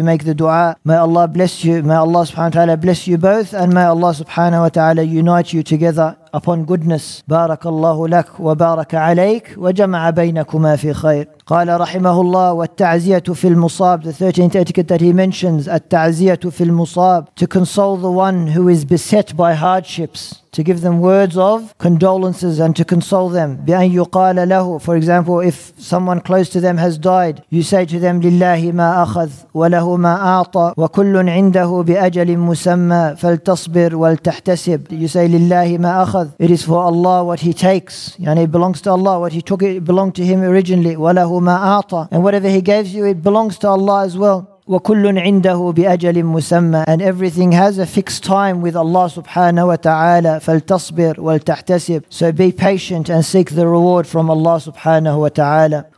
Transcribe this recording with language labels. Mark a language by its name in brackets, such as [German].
[English] You make the dua. May Allah bless you. May Allah subhanahu wa ta'ala bless you both. And may Allah subhanahu wa ta'ala unite you together upon goodness. [Arabic] بارك الله لك وبارك عليك وجمع بينكما في خير. قال رحمه الله والتعزية في المصاب. [English] The 13th etiquette that he mentions. [Arabic] التعزية في المصاب. [English] To console the one who is beset by hardships. To give them words of condolences and to console them. [Arabic] بأن يقال له, [English] for example, if someone close to them has died, you say to them, [Arabic] لله ما أخذ وله ما أعطى وكل عنده بأجل مسمى فلتصبر ولتحتسب. [English] You say, [Arabic] لله ما أخذ. [English] It is for Allah what he takes. يعني it belongs to Allah. What he took, it belonged to him originally. [Arabic] وله ما أعطى. [English] And whatever he gives you, it belongs to Allah as well. [Arabic] وكل عنده بأجل مسمى [English] and everything has a fixed time with Allah subhanahu wa ta'ala [Arabic] فلتصبر ولتحتسب [English] so be patient and seek the reward from Allah subhanahu wa ta'ala